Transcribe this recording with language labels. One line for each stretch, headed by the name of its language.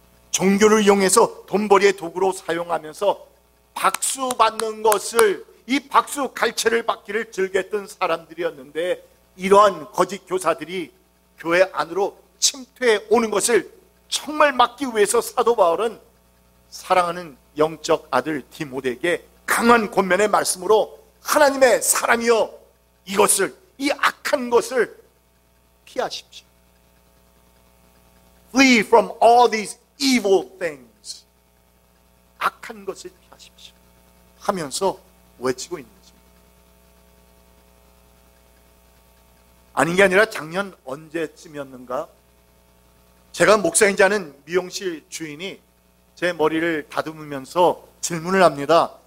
Korean: 종교를 이용해서 돈벌이의 도구로 사용하면서 박수 받는 것을, 이 박수 갈채를 받기를 즐겼던 사람들이었는데, 이러한 거짓 교사들이 교회 안으로 침투해 오는 것을 정말 막기 위해서 사도 바울은 사랑하는 영적 아들 디모데에게 강한 권면의 말씀으로 하나님의 사랑이여 이것을 이 악한 것을 피하십시오.
English: Flee from all these evil things.
Korean: 악한 것을 피하십시오. 하면서 외치고 있는 것입니다. 아닌 게 아니라 작년 언제쯤이었는가 제가 목사인지 아는 미용실 주인이 제 머리를 다듬으면서 질문을 합니다.